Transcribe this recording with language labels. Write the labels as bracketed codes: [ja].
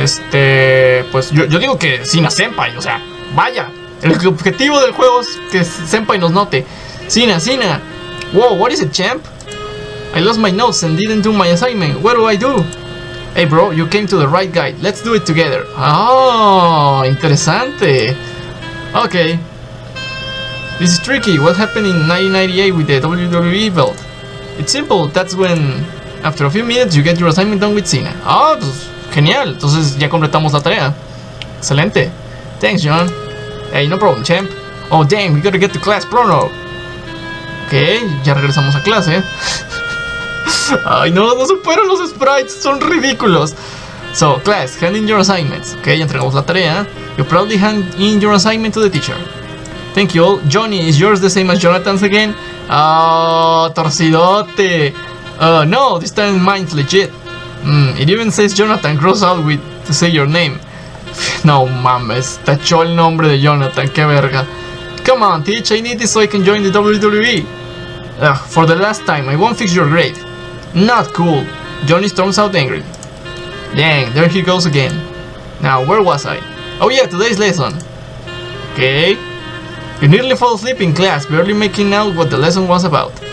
[es] Pues yo digo que Sina-senpai, o sea, vaya, el objetivo del juego es que Senpai nos note. [en] Sina, wow, what is it, champ? I lost my notes and didn't do my assignment. What do I do? Hey, bro, you came to the right guy. Let's do it together. Oh, interesante. Okay. This is tricky. What happened in 1998 with the WWE belt? It's simple. That's when, after a few minutes, you get your assignment done with Cena. [es] Oh, pues, genial. Entonces, ya completamos la tarea. Excelente. [en] Thanks, John. Hey, no problem, champ. Oh, damn. We gotta get to class pronto. Okay, [es] ya regresamos a clase. Ay, no supero los sprites, son ridículos. [en] So, class, hand in your assignments. [es] Ok, entregamos la tarea. [en] You proudly hand in your assignment to the teacher. Thank you all. Johnny, is yours the same as Jonathan's again? Oh, torcidote. No, this time mine's legit. It even says Jonathan, cross out with to say your name. [es] No mames, tachó el nombre de Jonathan, qué verga. [en] Come on, teach, I need this so I can join the WWE. For the last time, I won't fix your grade. Not cool. Johnny storms out angry. Dang, there he goes again. Now, where was I? Oh yeah, today's lesson. Okay. You nearly fall asleep in class, barely making out what the lesson was about.